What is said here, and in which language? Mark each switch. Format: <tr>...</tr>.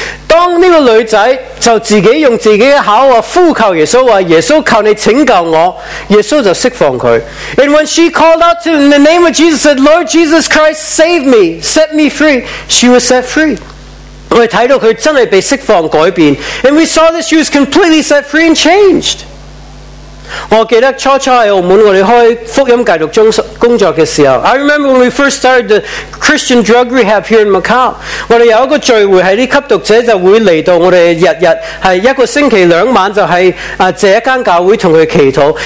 <yue>当呢个女仔就自己用自己嘅口话呼求耶稣，话耶稣求你拯救我，耶稣就释放佢。</yue> <en>And when she called out to him in the name of Jesus, said, "Lord Jesus Christ, save me, set me free," she was set free。</en> <yue>我哋睇到佢真系被释放改变。</yue> <en>And we saw that she was completely set free and changed。</en> <yue>我记得初初喺澳门我哋开福音戒毒工作嘅时候</yue> <en>，I remember when we first started the Christian drug rehab here in Macau。</en> <yue>我哋有一个聚会，系啲吸毒者就会嚟到我哋日日系一个星期两晚就喺这一间教会同佢祈祷。</yue>